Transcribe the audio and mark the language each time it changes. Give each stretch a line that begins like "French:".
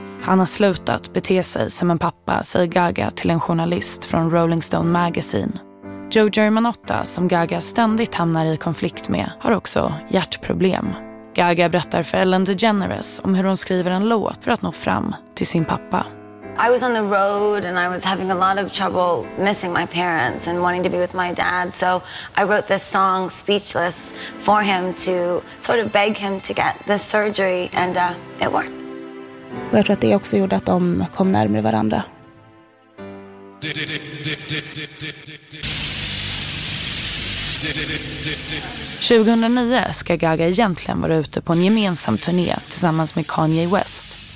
Swedish: Han har slutat bete sig som en pappa, säger Gaga till en journalist från Rolling Stone Magazine. Joe Germanotta, som Gaga ständigt hamnar i konflikt med, har också hjärtproblem. Gaga berättar för Ellen DeGeneres om hur hon skriver en låt för att nå fram till sin pappa.
English: I was on the road and I was having a lot of trouble missing my parents and wanting to be with my dad. So I wrote this song, Speechless, for him to sort of beg him to get the surgery, and it worked.
Swedish: Och jag tror att det också gjorde att de kom närmare varandra. –2009 ska Gaga egentligen vara ute på en gemensam turné tillsammans med Kanye West.